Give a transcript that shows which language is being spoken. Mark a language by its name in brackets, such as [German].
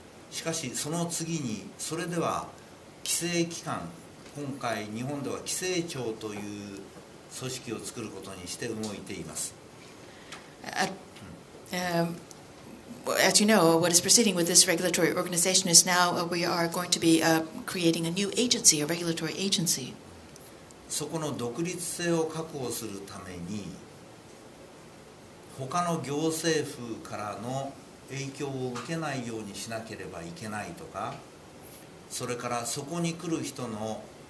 [Japanese] しかしその次に、それでは規制機関、今回日本では規制庁という組織を作ることにして動いています。 [English] As you know, what is proceeding with this regulatory organization is now we are going to be creating a new agency, a regulatory agency. [Japanese] そこの独立性を確保するために、他の行政府からの影響を受けないようにしなければいけないとか、それからそこに来る人の